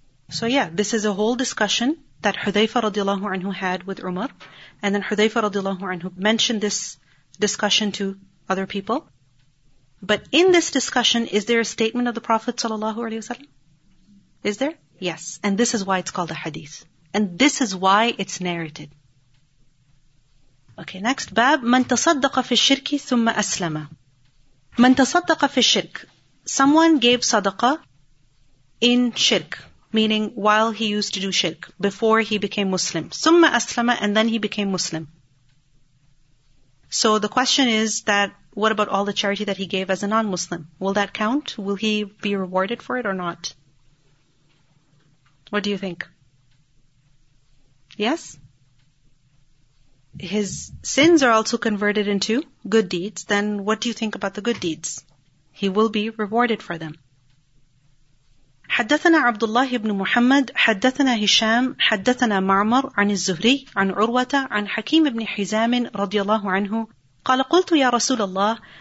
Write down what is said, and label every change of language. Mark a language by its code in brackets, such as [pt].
[en] So yeah, this is a whole discussion that Hudhayfa radiallahu anhu had with Umar. And then Hudhayfa radiallahu anhu mentioned this discussion to other people. But in this discussion, is there a statement of the Prophet sallallahu alaihi wasallam? Is there? Yes. And this is why it's called a hadith. And this is why it's narrated. Okay, next. [ar] Bab, من تصدق في الشرك ثم أسلم. [en] من تصدق في الشرك. Someone gave sadaqah in shirk, meaning while he used to do shirk, before he became Muslim. ثم أسلم, and then he became Muslim. So the question is that, what about all the charity that he gave as a non-Muslim? Will that count? Will he be rewarded for it or not? What do you think? Yes? His sins are also converted into good deeds. Then what do you think about the good deeds? He will be rewarded for them. [ar] حدثنا عبد الله بن محمد حدثنا هشام حدثنا معمر عن الزهري عن عروة عن حكيم بن حزام رضي الله عنه قال قلت يا رسول الله.